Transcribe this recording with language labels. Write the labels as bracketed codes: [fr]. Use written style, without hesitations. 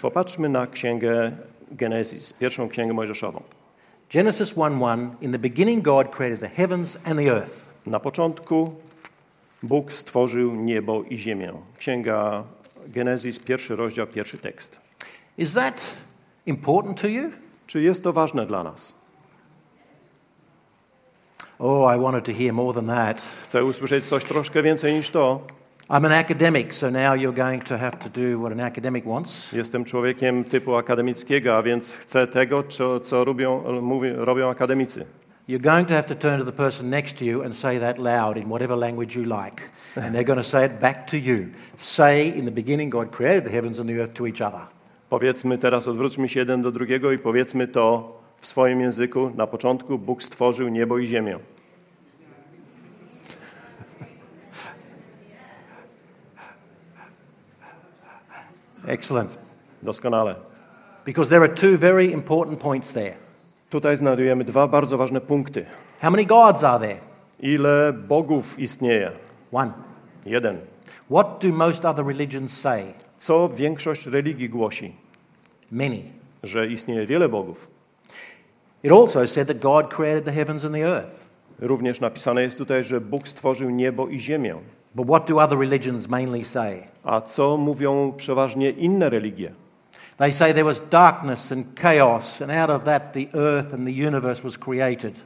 [pl] Popatrzmy na księgę Genesis, pierwszą księgę Mojżeszową. [en] Genesis 1:1, in the beginning God created the heavens and the earth. [pl] Na początku Bóg stworzył niebo i ziemię. Księga Genesis, pierwszy rozdział, pierwszy tekst. [en] Is that important to you? [pl] Czy jest to ważne dla nas? [en] Oh, I wanted to hear more than that. [pl] Chcę usłyszeć coś troszkę więcej niż to. [en] I'm an academic, so now you're going to have to do what an academic wants. [pl] Jestem człowiekiem typu akademickiego, a więc chcę tego, co robią akademicy. [en] You're going to have to turn to the person next to you and say that loud in whatever language you like. And they're going to say it back to you. Say, in the beginning God created the heavens and the earth to each other. [pl] Powiedzmy teraz, odwróćmy się jeden do drugiego i powiedzmy to w swoim języku. Na początku Bóg stworzył niebo i ziemię. [en] Excellent. [pl] Doskonale. [en] Because there are two very important points there. [pl] Tutaj znajdujemy dwa bardzo ważne punkty. [en] How many gods are there? [pl] Ile bogów istnieje? [en] One. [pl] Jeden. [en] What do most other religions say? [pl] Co większość religii głosi? [en] Many. [pl] Że istnieje wiele bogów. [en] It also said that God created the heavens and the earth. [pl] Również napisane jest tutaj, że Bóg stworzył niebo i ziemię. [en] But what do other religions mainly say? [pl] A co mówią przeważnie inne religie? [en] They say there was darkness and chaos, and out of that the earth and the universe was created.